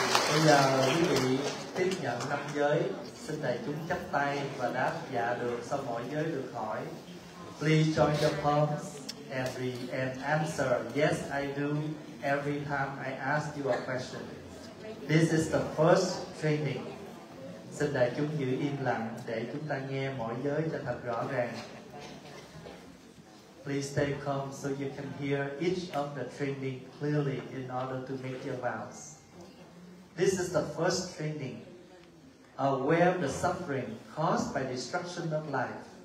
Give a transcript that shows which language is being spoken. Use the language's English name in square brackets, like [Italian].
[Vietnamese] Bây giờ quý vị tiếp nhận năm giới, xin đại chúng chắp tay và đáp dạ được sau mỗi giới được hỏi. [English] Please join the palms. And answer, yes, I do, every time I ask you a question. This is the first training. [Vietnamese] Xin đại chúng giữ im lặng để chúng ta nghe mỗi giới cho thật rõ ràng. [English] Please stay calm so you can hear each of the training clearly in order to make your vows. This is the first training. Aware of the suffering caused by destruction of life.